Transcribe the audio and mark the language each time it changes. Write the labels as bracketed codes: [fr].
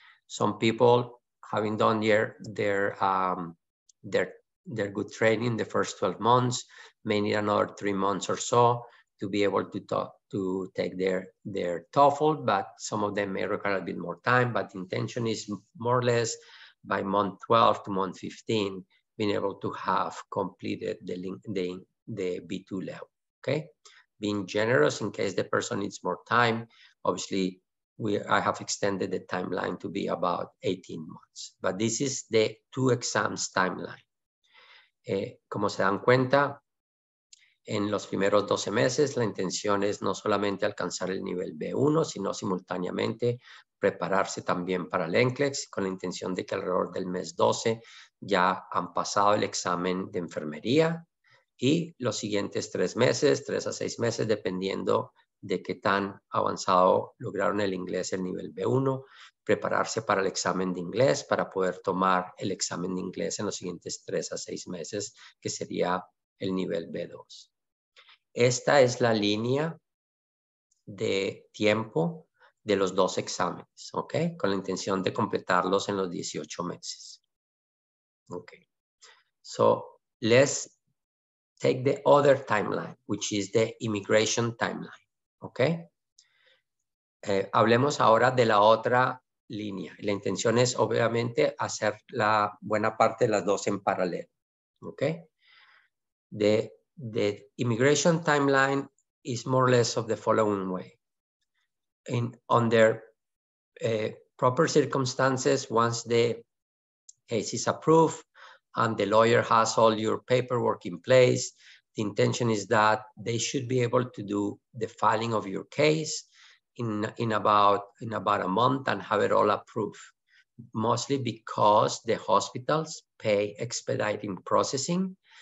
[en] Some people having done their good training the first 12 months, may need another 3 months or so to be able to take their TOEFL, but some of them may require a bit more time, but the intention is more or less by month 12 to month 15, being able to have completed the B2 level, okay? Being generous in case the person needs more time, obviously I have extended the timeline to be about 18 months, but this is the 2 exams timeline. [es] Como se dan cuenta, en los primeros 12 meses, la intención es no solamente alcanzar el nivel B1, sino simultáneamente prepararse también para el NCLEX, con la intención de que alrededor del mes 12 ya han pasado el examen de enfermería, y los siguientes 3 meses, 3 a 6 meses, dependiendo de qué tan avanzado lograron el inglés, el nivel B1, prepararse para el examen de inglés, para poder tomar el examen de inglés en los siguientes 3 a 6 meses, que sería el nivel B2. Esta es la línea de tiempo de los 2 exámenes, ¿ok? Con la intención de completarlos en los 18 meses. Ok. [en] So, let's take the other timeline, which is the immigration timeline, ¿ok? [es] Hablemos ahora de la otra línea. La intención es, obviamente, hacer la buena parte de las dos en paralelo. Okay? [en] The immigration timeline is more or less of the following way. Under proper circumstances, once the case is approved and the lawyer has all your paperwork in place, the intention is that they should be able to do the filing of your case in about a month and have it all approved, mostly because the hospitals pay expediting processing.